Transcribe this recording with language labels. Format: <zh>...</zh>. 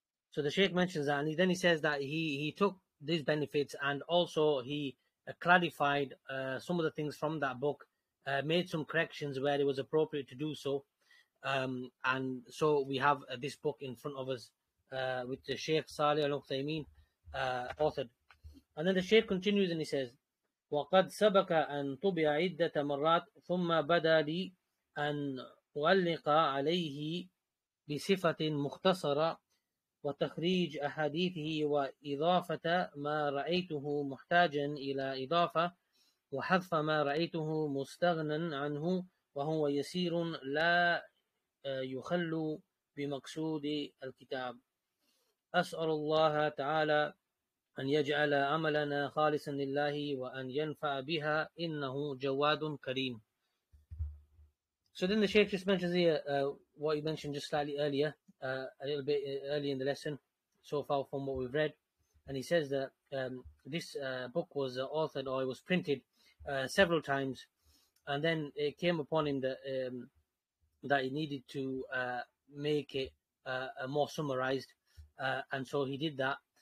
<en>So the Shaykh mentions that, and then he says that he took these benefits, and also he clarified some of the things from that book, made some corrections where it was appropriate to do so. And so we have this book in front of us with the Shaykh Saleh Al-Uthaymeen authored. And then the Shaykh continues and he says,</en> <ar>وَقَدْ سَبَكَ أَن طُبِعَ عِدَّةَ مَرَّاتٍ ثُمَّ بَدَى لِي أَن أُعَلِّقَ عَلَيْهِ بِصِفَةٍ مُخْتَصَرَةٍ وَتَخْرِيجَ أَحَادِيثِهِ وَإِضَافَةَ مَا رَأَيْتُهُ مُحْتَاجًا إِلَى إِضَافَةٍ وَحَذْفَ مَا رَأَيْتُهُ مُسْتَغْنًى عَنْهُ وَهُوَ يَسِيرٌ لَا يخلو بمقصود الكتاب. أسأل الله تعالى أن يجعل عملنا خالصا لله وأن ينفع بها إنه جواد كريم.</ar> <en>So then the Shaykh just mentions here what you mentioned just slightly earlier, a little bit early in the lesson, so far from what we've read. And he says that this book was authored, or it was printed several times, and then it came upon him that that he needed to make it more summarized. And so he did that.</en>